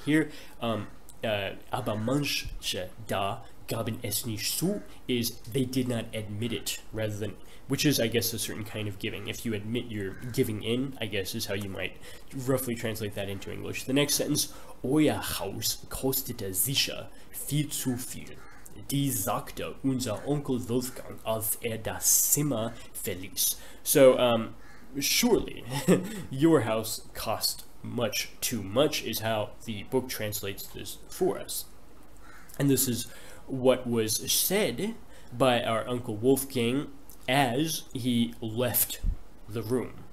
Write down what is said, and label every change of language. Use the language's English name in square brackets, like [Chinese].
[English] Here, [German] aber manche da gaben es nicht zu [English] is they did not admit it, rather than, which is, I guess, a certain kind of giving. If you admit you're giving in, I guess, is how you might roughly translate that into English. The next sentence, [German] euer Haus kostete sicher viel zu viel. Die sagte unser Onkel Wolfgang, als das Zimmer verließ. [English] So, surely, your house cost much too much is how the book translates this for us. And this is what was said by our Uncle Wolfgang as he left the room.